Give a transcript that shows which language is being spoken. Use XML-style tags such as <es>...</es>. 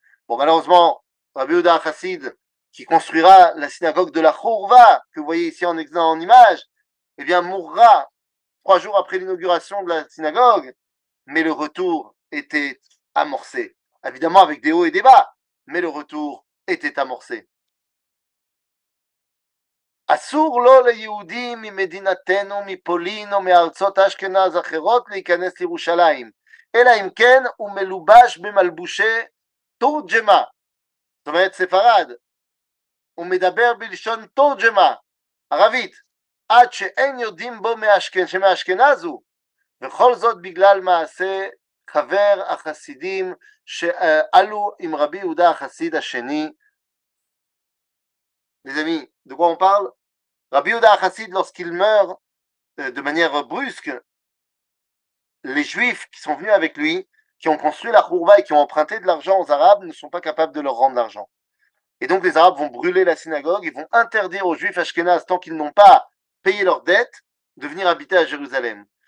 <fr>Bon, malheureusement, Rabbi Yehuda HaChassid, qui construira la synagogue de la Chourva, que vous voyez ici en image, eh bien, mourra 3 jours après l'inauguration de la synagogue, mais le retour était amorcé. Évidemment, avec des hauts et des bas, mais le retour était amorcé.</fr> <he>אסור לו ליהודים ממדינתנו, מפולין או מארצות אשכנז אחרות להיכנס לירושלים, אלא אם כן הוא מלובש במלבושי תורג'מה, זאת אומרת ספרד, הוא מדבר בלשון תורג'מה, ערבית, עד שאין יודעים בו שמאשכנז הוא, וכל זאת בגלל מעשה חבר החסידים שעלו עם רבי יהודה החסיד השני.</he> <fr>Rabbi Yehuda HaChassid, lorsqu'il meurt de manière brusque, les Juifs qui sont venus avec lui, qui ont construit la Chourva et qui ont emprunté de l'argent aux Arabes, ne sont pas capables de leur rendre l'argent. Et donc les Arabes vont brûler la synagogue, ils vont interdire aux Juifs ashkénazes, tant qu'ils n'ont pas payé leurs dettes, de venir habiter à Jérusalem.</fr>